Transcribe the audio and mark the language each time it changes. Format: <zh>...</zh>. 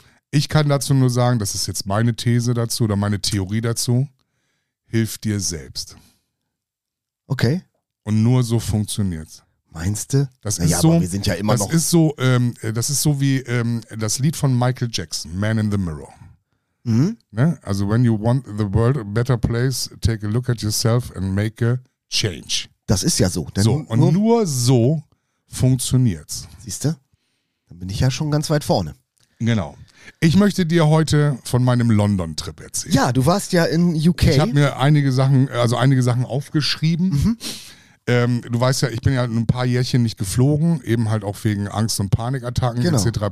<de>Ich kann dazu nur sagen, das ist jetzt meine These dazu oder meine Theorie dazu. Hilf dir selbst. Okay. Und nur so funktioniert's. Meinst du? Das ist so. Aber wir sind ja immer noch. Das ist so wie das Lied von Michael Jackson, Man in the Mirror. Mhm. Ne?</de> <en>Also when you want the world a better place, take a look at yourself and make a change.</en> <de>Das ist ja so. Nur so funktioniert's. Siehst du? Dann bin ich ja schon ganz weit vorne. Genau. Ich möchte dir heute von meinem London-Trip erzählen. Ja, du warst ja in UK. Ich habe mir einige Sachen aufgeschrieben. Mhm. Du weißt ja, ich bin ja ein paar Jährchen nicht geflogen, eben halt auch wegen Angst- und Panikattacken etc.</de>